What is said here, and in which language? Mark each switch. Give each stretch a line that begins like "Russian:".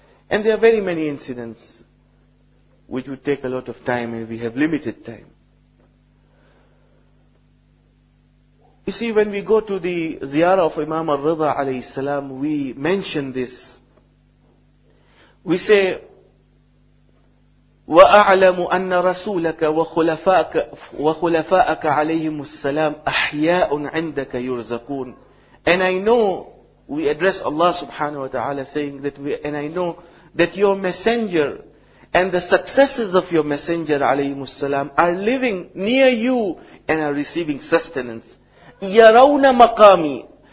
English: And there are very many incidents which would take a lot of time, and we have limited time. You see, when we go to the ziyarah of Imam al-Ridha alayhi salam, we mention this We say,
Arabic: وأعلم أن رسولك وخلفاءك عليهم السلام أحياء عندك يرزقون.
English: And I know, we address Allah subhanahu wa ta'ala saying that I know that your messenger and the successors of your messenger
Arabic: عليهم السلام
English: are living near you and are receiving sustenance.
Arabic: يَرَوْنَ مَقَامِي.